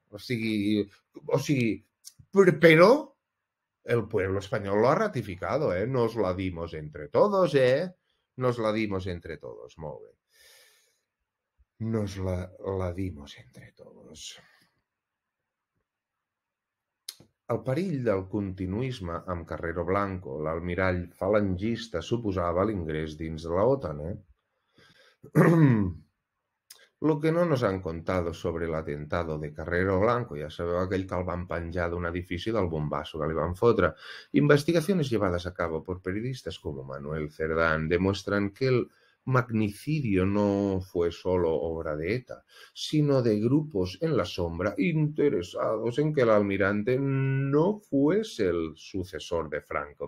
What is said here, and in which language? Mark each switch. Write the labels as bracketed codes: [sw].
[ca] O sigui, però [es] el pueblo español lo ha ratificado, Nos la dimos entre todos, Nos la dimos entre todos, [ca] molt bé. [es] Nos la dimos entre todos. [ca] El perill del continuisme amb Carrero Blanco, l'almirall falangista, suposava l'ingrés dins de l'OTAN, [es] Lo que no nos han contado sobre el atentado de Carrero Blanco, [ca] ja sabeu aquell que el van penjar d'un edifici del bombasso que li van fotre. [es] Investigaciones llevadas a cabo por periodistas como Manuel Cerdán demuestran que el magnicidio no fue solo obra de ETA, sino de grupos en la sombra interesados en que el almirante no fuese el sucesor de Franco.